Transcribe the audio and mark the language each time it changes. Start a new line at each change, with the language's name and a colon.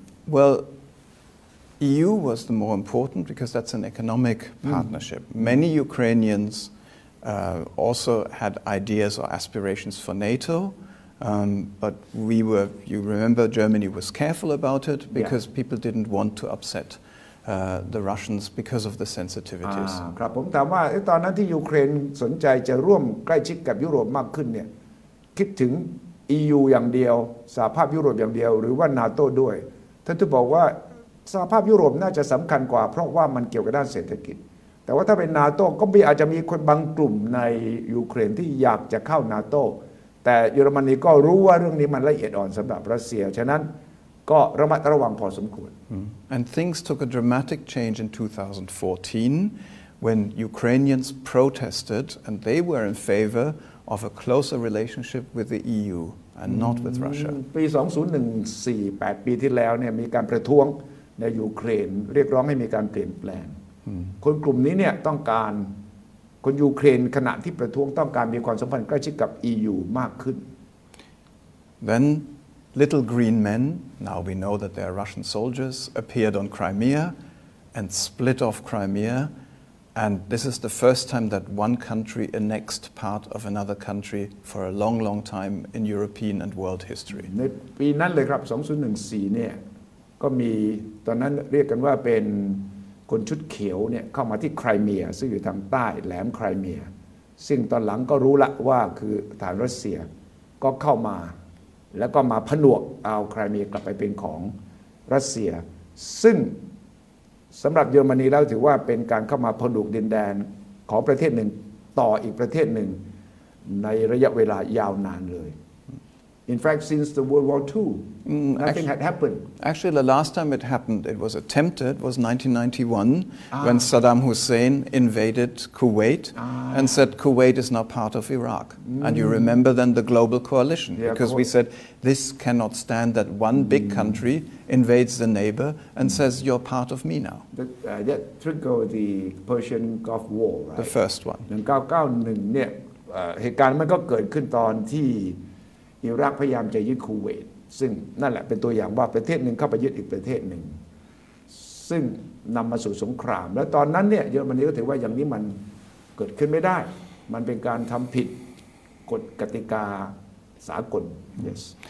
English: Well, EU was the more important because that's an economic partnership. Many Ukrainians also had ideas or aspirations for NATO. But we were, you remember, Germany was careful about it because people didn't want to upset the Russians because of the sensitivities.
Thai: ครับผมถามว่าตอนนั้นที่ยูเครนสนใจจะร่วมใกล้ชิดกับยุโรปมากขึ้นเนี่ยคิดถึง EU อย่างเดียวสหภาพยุโรปอย่างเดียวหรือว่า NATO ด้วยท่านทูตบอกว่าสหภาพยุโรปน่าจะสำคัญกว่าเพราะว่ามันเกี่ยวกับด้านเศรษฐกิจ แต่ว่าถ้าเป็นนาโต้ก็มีอาจจะมีคนบางกลุ่มในยูเครนที่อยากจะเข้านาโต้แต่เยอรมนีก็รู้ว่าเรื่องนี้มันละเอียดอ่อนสำหรับรัสเซียฉะนั้นก็ระมัดระวังพอสมควร
English: And things took a dramatic change in 2014 when Ukrainians protested and they were in favor of a closer relationship with the EU and not with Russia
Thai: ปี2014 8ปีที่แล้วเนี่ยมีการประท้วงในยูเครนเรียกร้องให้มีการเปลี่ยนแปลงคนกลุ่มนี้เนี่ยต้องการคนยูเครนขณะที่ประท้วงต้องการมีความสัมพันธ์ใกล้ชิดกับ EU มากขึ้น
English: Then little green men now we know that they are Russian soldiers appeared on Crimea and split off Crimea and this is the first time that one country annexed part of another country for a long long time in European and world history
Thai: ในปีนั้นเลยครับ2014เนี่ยก็มีตอนนั้นเรียกกันว่าเป็นคนชุดเขียวเนี่ยเข้ามาที่ไครเมียซึ่งอยู่ทางใต้แหลมไครเมียซึ่งตอนหลังก็รู้ละว่าคือฐานรัสเซียก็เข้ามาแล้วก็มาผนวกเอาไครเมียกลับไปเป็นของรัสเซียซึ่ง สำหรับเยอรมนีแล้วถือว่าเป็นการเข้ามาผนวกดินแดนของประเทศหนึ่งต่ออีกประเทศหนึ่งในระยะเวลายาวนานเลย
English: In fact since the World War II Actually, the last time it happened, it was attempted, was 1991, when Saddam Hussein invaded Kuwait and said, Kuwait is now part of Iraq. And you remember then the global coalition, yeah, because we said, this cannot stand that one big country invades the neighbor and says, you're part of me now. That triggered the Persian Gulf War, right? The first one.
Thai: 1991, เหตุการณ์มันก็เกิดขึ้นตอนที่อิรักพยายามจะยึดคูเวตซึ่งนั่นแหละเป็นตัวอย่างว่าประเทศหนึ่งเข้าไปยึดอีกประเทศหนึ่งซึ่งนำมาสู่สงครามและตอนนั้นเนี่ยเยอรมนีก็ถือว่าอย่างนี้มันเกิดขึ้นไม่ได้มันเป็นการทำผิดกฎกติกาสากล
English: Yes